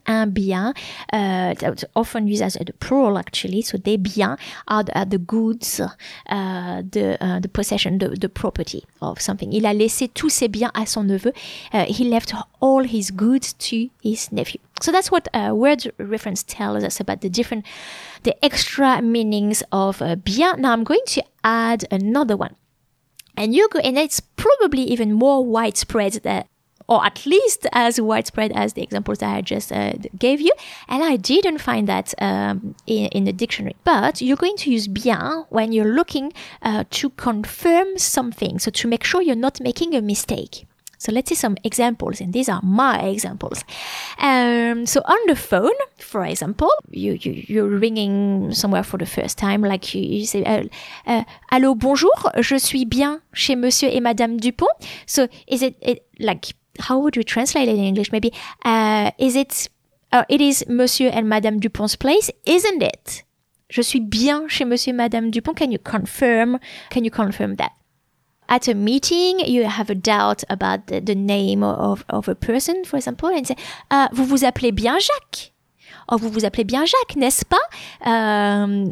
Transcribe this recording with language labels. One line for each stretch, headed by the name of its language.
English: Un bien, that's often used as a plural actually. So des biens are the goods, the possession, the property of something.
French: Il a laissé tous ses biens à son neveu.
English: He left all his goods to his nephew. So that's what word reference tells us about the different, the extra meanings of bien. Now I'm going to add another one. And you go, and it's probably even more widespread that, or at least as widespread as the examples that I just gave you. And I didn't find that in the dictionary. But you're going to use bien when you're looking to confirm something. So to make sure you're not making a mistake. So let's see some examples, and these are my examples. So on the phone, for example, you're ringing somewhere for the first time, like you say,
French: allô, bonjour, je suis bien chez Monsieur et Madame Dupont.
English: So is it like, how would you translate it in English? Maybe, it is Monsieur and Madame Dupont's place, isn't it?
French: Je suis bien chez Monsieur et Madame Dupont.
English: Can you confirm that? At a meeting, you have a doubt about the name of a person, for example, and say,
French: vous vous appelez bien Jacques? Or vous vous appelez bien Jacques, n'est-ce pas?